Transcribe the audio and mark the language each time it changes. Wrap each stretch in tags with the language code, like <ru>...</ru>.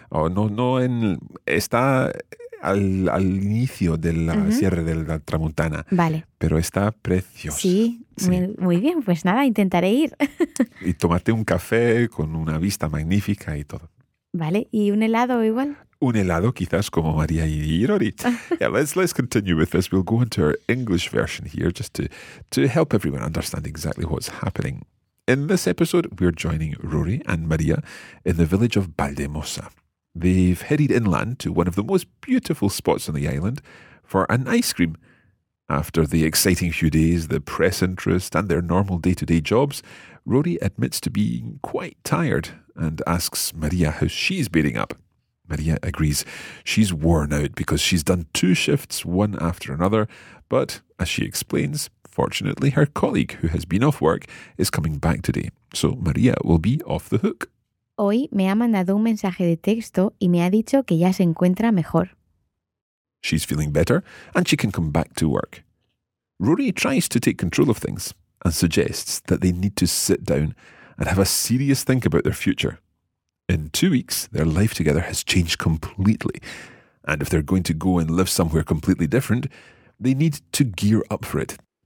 <es>O está al inicio de la sierra de la Tramuntana. Vale. Pero está precioso. Sí, sí. Muy bien, pues nada, intentaré ir. Y tomarte un café con una vista magnífica y todo. Vale, ¿y un helado igual? Un helado, quizás, como María y Rory.</es> <en>Yeah, let's continue with this. We'll go into our English version here just to help everyone understand exactly what's happening. In this episode, we're joining Rory and María in the village of Valldemossa. They've headed inland to one of the most beautiful spots on the island for an ice cream. After the exciting few days, the press interest and their normal day-to-day jobs, Rory admits to being quite tired and asks María how she's bearing up. María agrees she's worn out because she's done two shifts one after another, but as she explains, fortunately, her colleague who has been off work is coming back today, so María will be off the hook.</en> <es>Hoy me ha mandado un mensaje de texto y me ha dicho que ya se encuentra mejor.</es> <en>She's feeling better and she can come back to work. Rory tries to take control of things and suggests that they need to sit down and have a serious think about their future. In 2 weeks, their life together has changed completely. And if they're going to go and live somewhere completely different, they need to gear up for it.</en>